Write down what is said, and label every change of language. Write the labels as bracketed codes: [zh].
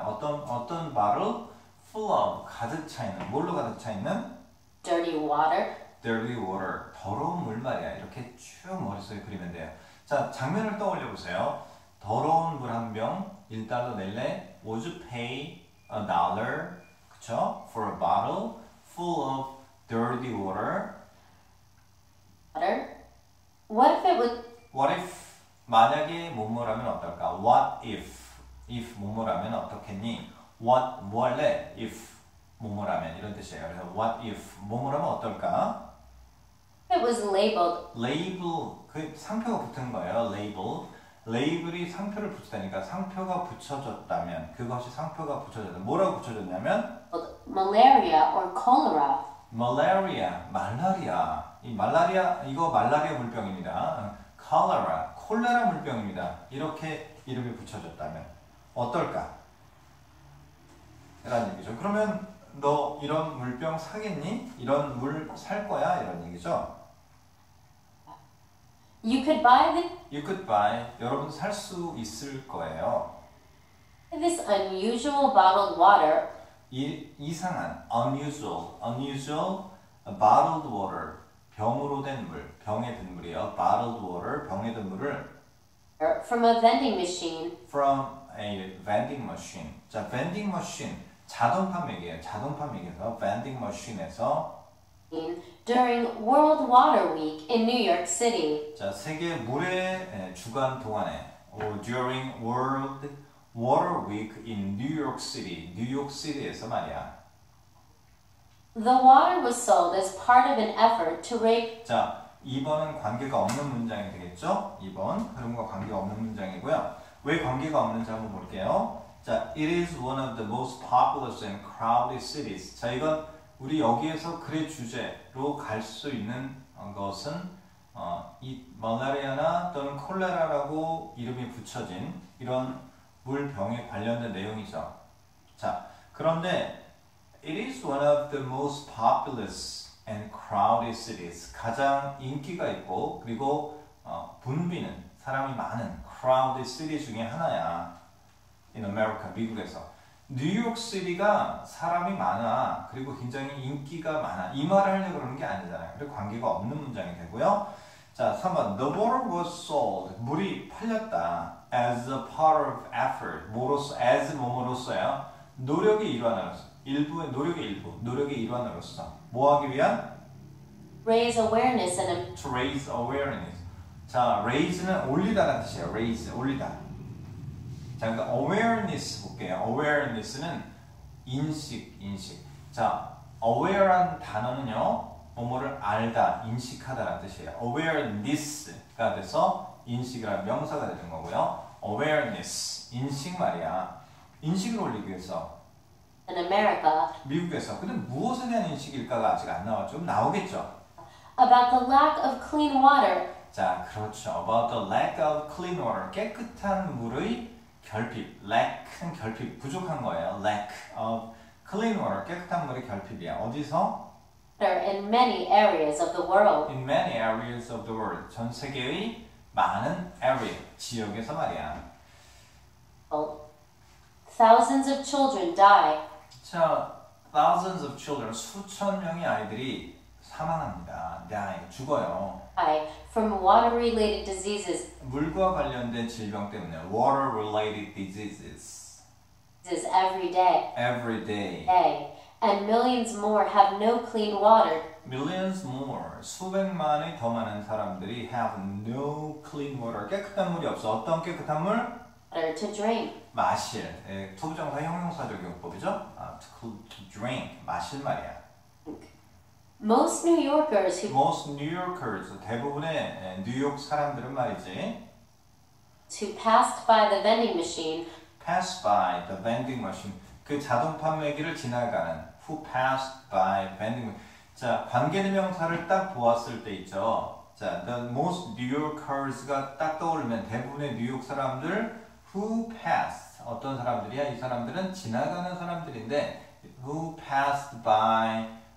[ko] 어떤 bottle? [en] Full of. [ko] 가득 차 있는. 뭘로 가득 차 있는? [en] Dirty water. Dirty water. [ko] 더러운 물 말이야. 이렇게 쭉 머릿속에 그리면 돼요. 자, 장면을 떠올려 보세요. 더러운 물 한 병, 1달러 낼래? [en] Would you pay a dollar? [ko] 그쵸? [en] For a bottle full of dirty water. Water? What if it would... What if? [ko] 만약에 뭐뭐라면 어떨까? [en] What if? [ko] If 뭐뭐라면 어떻겠니? [en] What 뭐할래? [ko] If 뭐뭐라면 이런 뜻이에요. 그래서 What if 뭐뭐라면 어떨까? [en] It was labeled. [ko] Label. 그 상표가 붙은 거예요. Label. Label이 상표를 붙였다니까. 상표가 붙여졌다면. 그것이 상표가 붙여졌다. 뭐라고 붙여졌냐면? [en] Malaria or cholera. [ko] Malaria. 말라리아. 이 말라리아. 이거 말라리아 물병입니다. Cholera. 콜레라 물병입니다. 이렇게 이름이 붙여졌다면 어떨까? 라는 얘기죠. 그러면 너 이런 물병 사겠니? 이런 물 살 거야? 이런 얘기죠. [en] You could buy it. You could buy. [ko] 여러분 살 수 있을 거예요. [en] This unusual bottled water. 이상한 unusual bottled water. [ko] 병으로 된 물, 병에 든 물이요. [en] Bottled water, [ko] 병에 든 물을 [en] From a vending machine. From a vending machine. 자, vending machine. [ko] 자동판 얘기예요. 자동판 얘기에서 vending machine에서 [en] During World Water Week in New York City. [ko] 자, 세계 물의 주간 동안에 [en] or during World Water Week in New York City. [ko] 뉴욕 시티에서 말이야. [en] The water was sold as part of an effort to raise. [ko] 자, 2번은 관계가 없는 문장이 되겠죠? 2번. 흐름과 관계가 없는 문장이고요. 왜 관계가 없는지 한번 볼게요. [en] 자, it is one of the most populous and crowded cities. [ko] 자, 이건 우리 여기에서 글의 주제로 갈 수 있는 것은 이 말라리아나 또는 콜레라라고 이름이 붙여진 이런 물병에 관련된 내용이죠. 자, 그런데 [en] It is one of the most populous and crowded cities. [ko] 가장 인기가 있고 그리고 붐비는 사람이 많은 crowded city 중에 하나야. [en] In America, 미국에서. [ko] 뉴욕 시티가 사람이 많아. 그리고 굉장히 인기가 많아. 이 말을 하려고 그러는 게 아니잖아요. 그리고 관계가 없는 문장이 되고요. 자, 3번. [en] The water was sold. [ko] 물이 팔렸다. [en] As a part of effort. [ko] 뭐로써? [en] As 뭐뭐로써요? [ko] 노력이 일환하였어. 일부의 노력의 일부, 노력의 일환으로서 뭐 하기 위한? [en] Raise awareness and to raise awareness. [ko] 자, raise는 올리다라는 뜻이에요. Raise 올리다. 자, 그러니까 awareness 볼게요. Awareness는 인식. 자, aware란 단어는요, 뭐뭐를 알다, 인식하다라는 뜻이에요. Awareness가 돼서 인식이란 명사가 되는 거고요. Awareness 인식 말이야. 인식을 올리기 위해서. [en] In America. [ko] 미국에서. 근데 무엇에 대한 인식일까가 아직 안 나왔죠. 나오겠죠. [en] About the lack of clean water. [ko] 자, 그렇죠. [en] About the lack of clean water. [ko] 깨끗한 물의 결핍. Lack은 결핍. 부족한 거예요. [en] Lack of clean water. [ko] 깨끗한 물의 결핍이야. 어디서? [en] In many areas of the world. In many areas of the world. [ko] 전 세계의 많은 area. 지역에서 말이야. [en] Thousands of children die. [ko] 자, [en] thousands of children, [ko] 수천 명의 아이들이 사망합니다. die, 죽어요. [en] die from water-related diseases. [ko] 물과 관련된 질병 때문에 water-related diseases. [en] diseases every day. every day. day. and millions more have no clean water. millions more. [ko] 수백만의 더 많은 사람들이 [en] have no clean water. [ko] 깨끗한 물이 없어. 어떤 깨끗한 물? [en] water to drink. [ko] 마실. 예, 투부정사 형용사적 용법이죠. 아, [en] to drink. [ko] 마실 말이야. [en] Most New Yorkers who Most New Yorkers [ko] 대부분의 뉴욕 사람들은 말이지. [en] To pass by the vending machine. Pass by the vending machine. [ko] 그 자동 판매기를 지나가는 [en] who passed by vending. [ko] 자 관계대명사를 딱 보았을 때 있죠. 자 the most New Yorkers가 딱 떠오르면 대부분의 뉴욕 사람들 who passed 어떤 사람들이야? 이 사람들은 지나가는 사람들인데 who passed by.